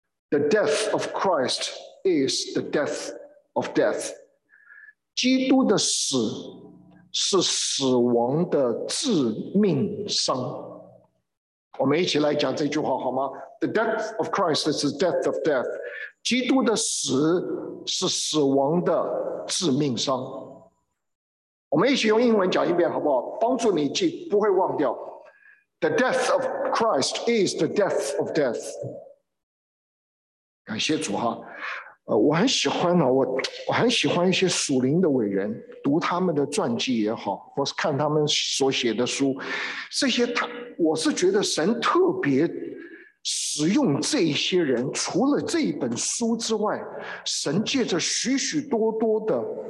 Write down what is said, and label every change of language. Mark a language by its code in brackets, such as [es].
[en] The death of Christ is the death of death. [zh] 基督的死是死亡的致命伤。我们一起来讲这句话好吗？ [en] The death of Christ is the death of death. [zh] 基督的死是死亡的致命伤。我们一起用英文讲一遍好不好，帮助你记，不会忘掉。 [en] The death of Christ is the death of death. [zh] 感谢主哈。我很喜欢呢，我很喜欢一些属灵的伟人，读他们的传记也好，或是看他们所写的书，这些我是觉得神特别使用这些人，除了这一本书之外，神借着许许多多的